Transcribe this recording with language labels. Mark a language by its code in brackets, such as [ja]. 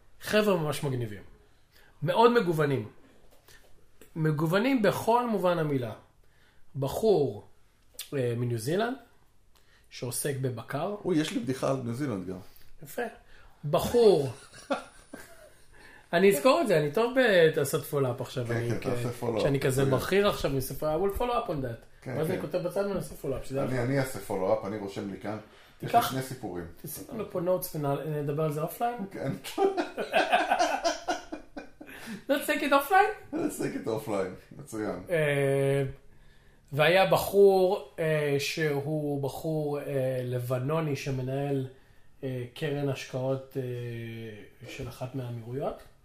[he] חבר ממש מגניבים. מאוד מגוונים. מגוונים בכל מובן המילה. בחור מניו זילנד, שעוסק בבקר. אוי, יש לי בדיחה על ניו זילנד גם. יפה. בחור. אני אזכור את זה, אני טוב בתעשת פולאפ עכשיו. כן, כן, תעשה פולאפ. כשאני כזה בכיר עכשיו מספר, [en] I will follow up on that. [he] מה זה, אני כותב בצד ונעשה פולאפ. אני אעשה פולאפ, אני רושם לי כאן. יש לי שני סיפורים. תעשה לנו פה נוטס ונדבר על זה אופליין? כן. [en] Let's take it offline? Let's take it offline. [he] מצוין. והיה בחור שהוא בחור לבנוני שמנהל קרן השקעות של אחת מהאמירויות.